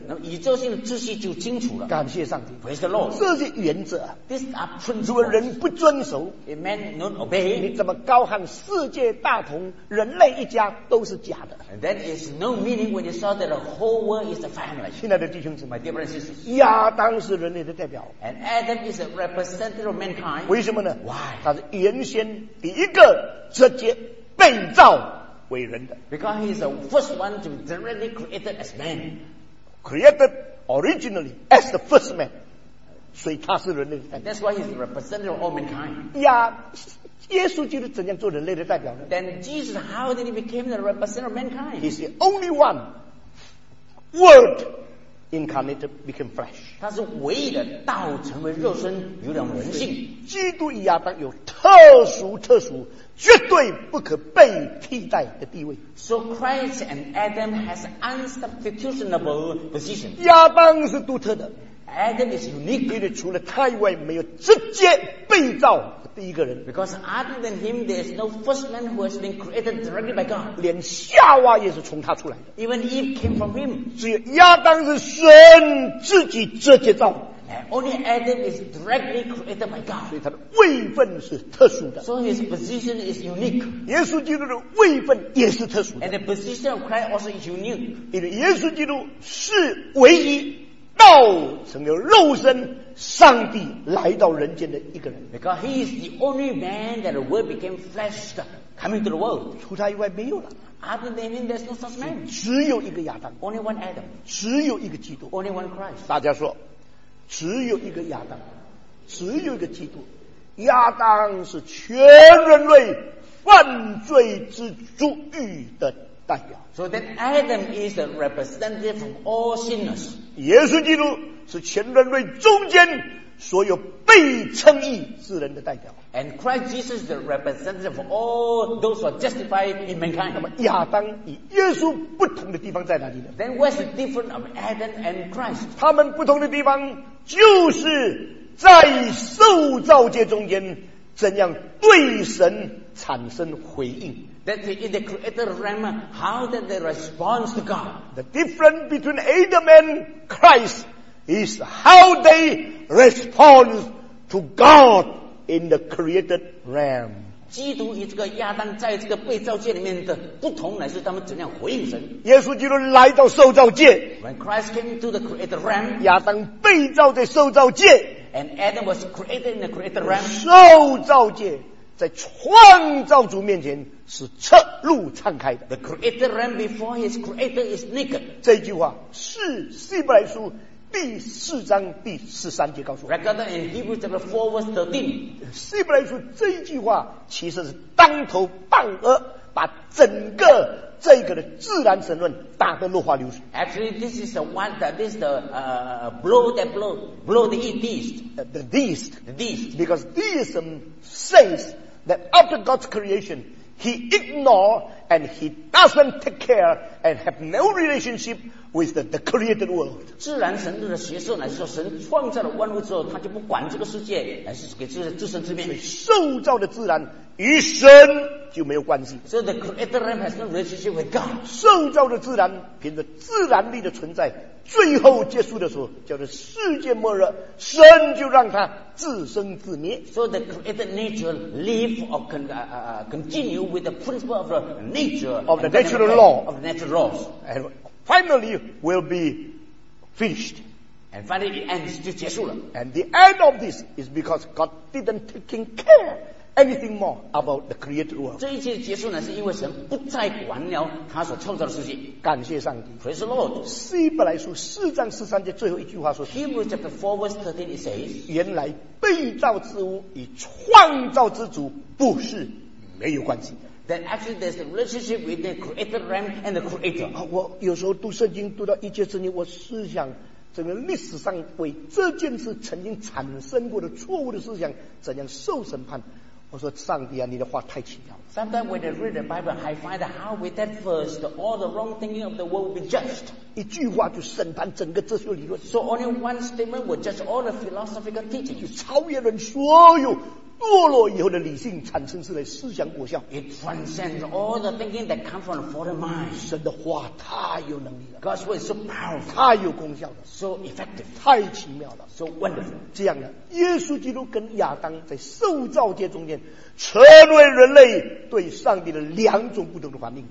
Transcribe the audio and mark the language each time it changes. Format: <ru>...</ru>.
<zh>那么宇宙性的秩序就清楚了。感谢上帝。</zh> <en>Praise the Lord.</en> <zh>这些原则。</zh> <en>This are principles.</en> <zh>人不遵守</zh> <en>，It man not obey.</en> <zh>你怎么高喊世界大同，人类一家都是假的</zh> <en>？That is no meaning when you saw that the whole world is a family.</en> <zh>亲爱的弟兄姊妹</zh> <en>，My dear brothers and sisters,</en> <zh>亚当是人类的代表</zh> <en>，And Adam is a representative of mankind.</en> <zh>为什么呢</zh> <en>？Why？</en> <zh>他是原先第一个直接被造为人的</zh> <en>，Because he is the first one to be directly created as man. Created originally as the first man.</en> <zh>所以他是人类的代表。</zh> <en>That's why he's representative of all mankind.</en> <zh>呀，耶稣基督怎样做人类的代表呢</zh> <en>？Then Jesus, how did he become the representative of mankind? He's the only one, Word, incarnated became flesh.</en> <zh>他是唯一的道成为肉身，有点人性。基督与亚当有特殊、特殊、绝对不可被替代的地位。</zh> <en>So Christ and Adam has unsubstitutable position.</en> <zh>亚当是独特的。</zh> <en>Adam is unique.</en> <zh>因为除了他以外，没有直接被造的第一个人。</zh> <en>Because other than him, there is no first man who has been created directly by God.</en> <zh>连夏娃也是从他出来的。</zh> <en>Even Eve came from him.</en> <zh>只有亚当是神自己直接造的。</zh> <en>Only Adam is directly created by God.</en> <zh>所以他的位分是特殊的。</zh> <en>So his position is unique.</en> <zh>耶稣基督的位分也是特殊的。</zh> <en>And the position of Christ also is unique.</en> <zh>因为耶稣基督是唯一。道成了肉身，上帝来到人间的一个人。</zh> <en>Because he is the only man that the word became flesh, coming to the world.</en> <zh>除他以外没有了。</zh> <en>Other than him, there's no such man.</en> <zh>只有一个亚当。</zh> <en>Only one Adam.</en> <zh>只有一个基督。</zh> <en>Only one Christ.</en> <zh>大家说，只有一个亚当，只有一个基督。亚当是全人类犯罪之主义的代表。</zh> <en>So then Adam is a representative of all sinners.</en> <zh>耶稣基督是全人类中间所有被称义之人的代表。</zh> <en>And Christ Jesus is the representative of all those who are justified in mankind.</en> <zh>那么亚当与耶稣不同的地方在哪里呢？</zh> <en>Then what's the difference of Adam and Christ?</en> <zh>他们不同的地方就是在受造界中间怎样对神产生回应。</zh> <en>That in the created realm, how did they respond to God? The difference between Adam and Christ is how they respond to God in the created realm.</en> <zh>基督与这个亚当在这个被造界里面的不同，乃是他们怎样回应神。耶稣基督来到受造界。</zh> <en>When Christ came to the created realm,</en> <zh>亚当被造在受造界。</zh> <en>And Adam was created in the created realm.</en> <zh>受造界。在创造主面前是赤露敞开的。</zh> <en>The creator ran before his creator is naked.</en> <zh>这句话是希伯来书第四章第十三节告诉我。</zh> <en>Recorded in Hebrews chapter 4 verse 13.</en> <zh>希伯来书这句话其实是当头棒喝，把整个这个的自然神论打得落花流水。</zh> <en>Actually, this is the one that this the blow that blow the deist. The deist. The deist. Because deism says that after God's creation, He ignore and He doesn't take care and have no relationship with the created world.</en> <zh>自然神论的学说乃是说，神创造了万物之后，他就不管这个世界，乃是给自自生自灭。受造的自然。与神就没有关系。</zh> <en>So the creator realm has no relationship with God.</en> <zh>受造的自然凭着自然力的存在，最后结束的时候叫做世界末日，神就让它自生自灭。</zh> <en>So the created nature live or continue with the principle of the nature of the natural law of the natural laws, and finally will be finished. And finally it ends</en> <zh>就结束了。</zh> <en>And the end of this is because God didn't take care. Anything more about the created world?</en> <zh>这一切结束呢，是因为神不再管了他所创造的世界。感谢上帝。</zh> <en>Praise the Lord.</en> <zh>希伯来书四章十三节最后一句话说</zh> <en>，Hebrews chapter four verse thirteen it says，</en> <zh>原来被造之物与创造之主不是没有关系。</zh> <en>That actually there's a relationship with the created realm and the creator.</en> <zh>我有时候读圣经读到一节圣经，我思想。整个历史上为这件事曾经产生过的错误的思想怎样受审判，我说上帝啊，你的话太奇妙了。</zh> <en>Sometimes when I read the Bible I find out how with that verse all the wrong thinking of the world will be judged.</en> <zh>一句话就审判整个哲学理论。</zh> <en>So only one statement will judge all the philosophical teachings.</en> <zh>就超越人所有堕落以后的理性产生出来思想果效。</zh> <en>It transcends all the thinking that comes from the fallen mind.</en> <zh>神的话太有能力了。</zh> <en>God's word is so powerful.</en> <zh>太有功效了。</zh> <en>So effective.</en> <zh>太奇妙了。</zh> <en>So wonderful.</en> <zh>这样呢，耶稣基督跟亚当在受造界中间成为人类对上帝的两种不同的反应。</zh>